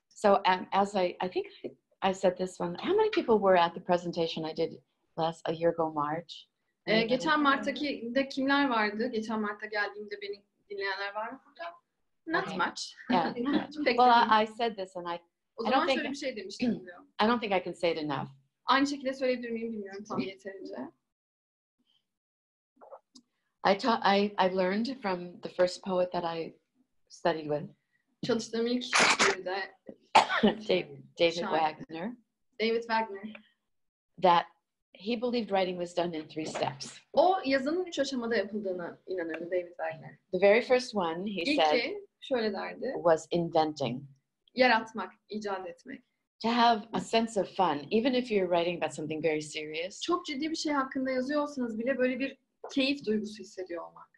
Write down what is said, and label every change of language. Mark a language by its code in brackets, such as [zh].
[en] So as I think I said this one, how many people were at the presentation I did last a year ago March? [tr] Geçen Mart'taki de kimler vardı? Geçen Mart'ta geldiğimde beni dinleyenler var mı burada? [en] Not much. Well, I said this and I don't think [tr] bir şey demiştim diyor. [en] I don't think I can say it enough. [tr] Aynı şekilde söyleyebilir miyim bilmiyorum tam yeterince. [en] I learned from the first poet that I studied with. [tr] Çalıştığım ilk şiirde. [en] David Wagner. [tr] David Wagner. [en] That he believed writing was done in three steps. [tr] O yazının üç aşamada yapıldığına inanırdı David Wagner. [en] The very first one he [tr] İlki, [en] said [tr] şöyle derdi. [en] Was inventing. [tr] Yaratmak, icat etmek. [en] To have a sense of fun, even if you're writing about something very serious. [tr] Çok ciddi bir şey hakkında yazıyorsanız bile böyle bir keyif duygusu hissediyor olmak.